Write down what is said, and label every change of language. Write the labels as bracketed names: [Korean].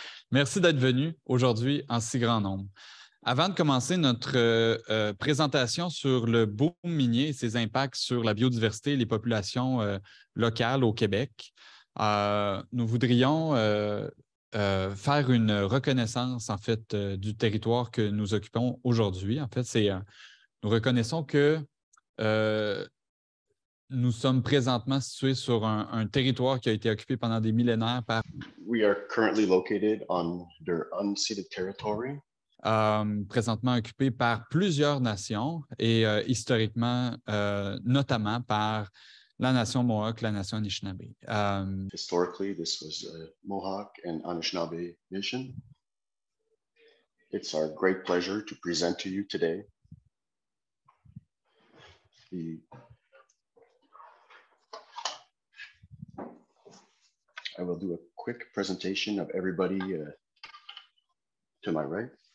[French] Merci d'être venu aujourd'hui en si grand nombre. Avant de commencer notre présentation sur le boom minier et ses impacts sur la biodiversité et les populations locales au Québec, nous voudrions faire une reconnaissance, en fait, du territoire que nous occupons aujourd'hui. En fait, nous reconnaissons que nous sommes présentement situés sur un territoire qui a été occupé pendant des millénaires par... [English] We are currently located on their unceded territory. [French] Présentement occupé par plusieurs nations et historiquement, notamment par la nation Mohawk, la nation Anishinaabe. [English] Historically, this was a Mohawk and Anishinaabe nation. It's our great pleasure to present to you today I will do a quick presentation of everybody to my right.